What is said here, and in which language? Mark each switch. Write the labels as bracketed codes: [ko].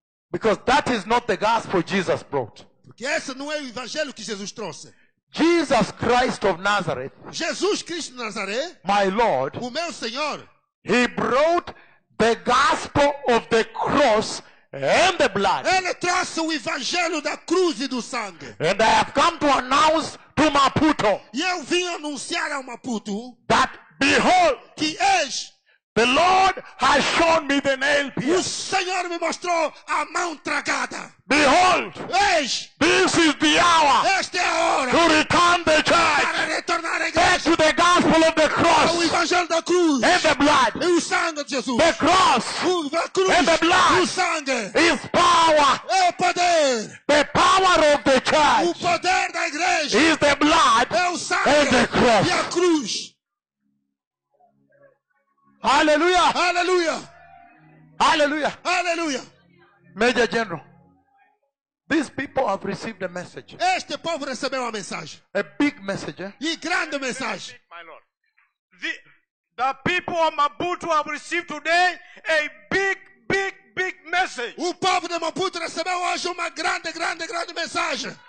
[en] Because that is not the gospel Jesus brought. [pt] Porque esse não é o evangelho que Jesus trouxe. [en] Jesus Christ of Nazareth. [pt] Jesus Cristo de Nazaré. [en] My Lord. [pt] O meu Senhor. [en] He brought the gospel of the cross and the blood. [pt] Ele trouxe o evangelho da cruz e do sangue. [en] And I have come to announce to Maputo. [pt] E eu vim anunciar a Maputo. [en] That behold. [pt] Que eis. [en] The Lord has shown me the nail pierce. [pt] O Senhor me mostrou a mão tragada. [en] Behold. [pt] Eis. [en] This is the hour. [pt] Esta é a hora. [en] To return the church. [pt] Para retornar a [en] igreja. Back to the gospel of the cross. [pt] O evangelho da cruz. [en] And the blood. [pt] E o sangue de Jesus. [en] The cross. [pt] A cruz. [en] And the blood. [pt] O sangue. [en] Is power. [pt] É o poder. [en] The power of the church. [pt] O poder da igreja. [en] Is the blood. [pt] É o sangue. [en] And the cross. [pt] E a cruz. Hallelujah! Hallelujah! Hallelujah! Hallelujah! [en] Major General, these people have received a message. [pt] Este povo recebeu a mensagem. [en] A big message. Eh? [pt] E grande mensagem. [en] Big, my Lord, the people of Maputo have received today a big message. [pt] O povo de Maputo recebeu hoje uma grande mensagem.